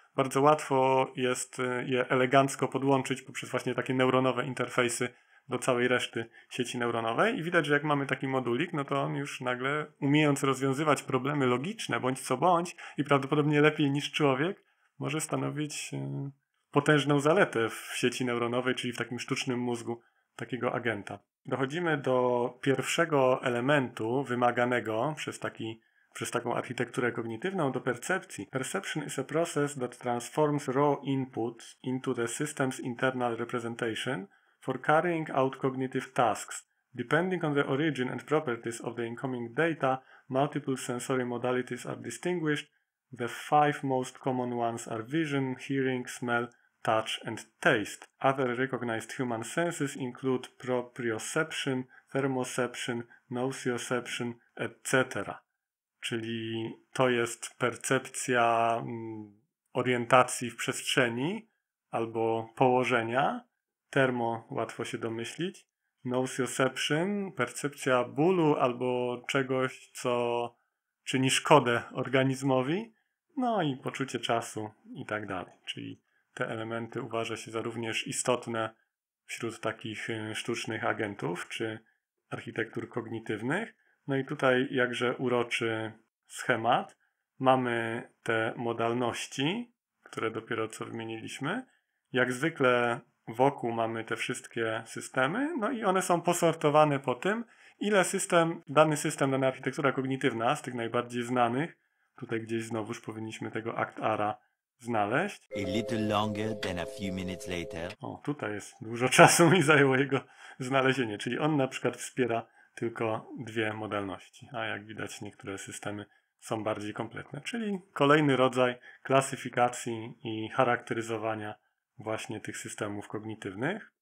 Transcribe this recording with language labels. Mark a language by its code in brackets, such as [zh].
[pl] Bardzo łatwo jest je elegancko podłączyć poprzez właśnie takie neuronowe interfejsy do całej reszty sieci neuronowej i widać, że jak mamy taki modulik, no to on już nagle umiejąc rozwiązywać problemy logiczne bądź co bądź i prawdopodobnie lepiej niż człowiek, może stanowić potężną zaletę w sieci neuronowej, czyli w takim sztucznym mózgu takiego agenta. Dochodzimy do pierwszego elementu wymaganego przez taką architekturę kognitywną, do percepcji. [en] Perception is a process that transforms raw input into the system's internal representation for carrying out cognitive tasks. Depending on the origin and properties of the incoming data, multiple sensory modalities are distinguished. The five most common ones are vision, hearing, smell, touch and taste. Other recognized human senses include proprioception, thermoception, nociception, etc. [pl] Czyli to jest percepcja orientacji w przestrzeni albo położenia. Termo, łatwo się domyślić. Nociception, percepcja bólu albo czegoś, co czyni szkodę organizmowi. No i poczucie czasu i tak dalej. Czyli te elementy uważa się za również istotne wśród takich sztucznych agentów czy architektur kognitywnych. No i tutaj jakże uroczy schemat. Mamy te modalności, które dopiero co wymieniliśmy. Jak zwykle wokół mamy te wszystkie systemy, no i one są posortowane po tym, ile dany system, dana architektura kognitywna z tych najbardziej znanych, tutaj gdzieś znowuż powinniśmy tego ACT-ARA znaleźć. A little longer than a few minutes later. O, tutaj jest dużo czasu mi zajęło jego znalezienie, czyli on na przykład wspiera tylko dwie modalności, a jak widać niektóre systemy są bardziej kompletne, czyli kolejny rodzaj klasyfikacji i charakteryzowania właśnie tych systemów kognitywnych.